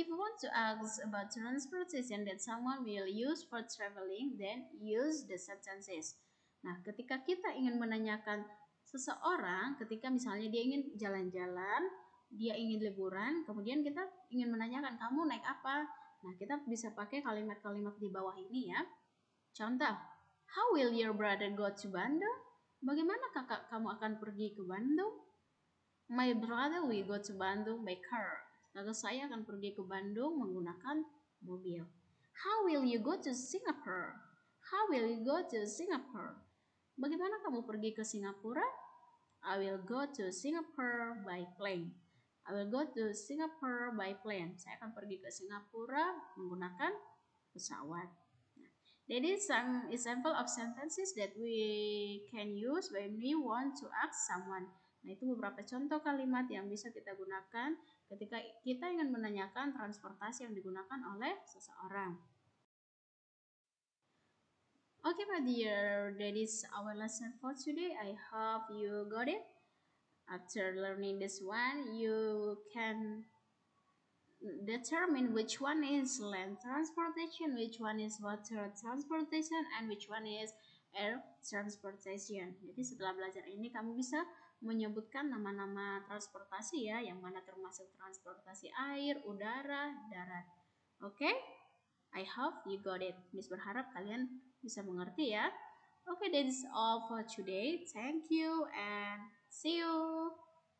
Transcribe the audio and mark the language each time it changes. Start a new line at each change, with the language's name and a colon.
English: If you want to ask about transportation that someone will use for traveling, then use the sentences.
Indonesian: Nah, ketika kita ingin menanyakan seseorang, ketika misalnya dia ingin jalan-jalan, dia ingin liburan, kemudian kita ingin menanyakan, kamu naik apa? Nah, kita bisa pakai kalimat-kalimat di bawah ini ya. Contoh,
English: how will your brother go to Bandung?
Indonesian: Bagaimana kakak kamu akan pergi ke Bandung?
English: My brother will go to Bandung by car.
Indonesian: Kakak saya akan pergi ke Bandung menggunakan mobil.
English: How will you go to Singapore? How will you go to Singapore?
Indonesian: Bagaimana kamu pergi ke Singapura?
English: I will go to Singapore by plane. I will go to Singapore by plane.
Indonesian: Saya akan pergi ke Singapura menggunakan pesawat.
English: That is some example of sentences that we can use when we want to ask someone.
Indonesian: Nah, itu beberapa contoh kalimat yang bisa kita gunakan ketika kita ingin menanyakan transportasi yang digunakan oleh seseorang.
English: Okay, my dear, that is our lesson for today. I hope you got it. After learning this one, you can determine which one is land transportation, which one is water transportation, and which one is air transportation.
Indonesian: Jadi setelah belajar ini, kamu bisa menyebutkan nama-nama transportasi ya, yang mana termasuk transportasi air, udara, darat.
English: Oke? Okay? I hope you got it.
Indonesian: Miss berharap kalian bisa mengerti ya.
English: Okay, that is all for today. Thank you and see you.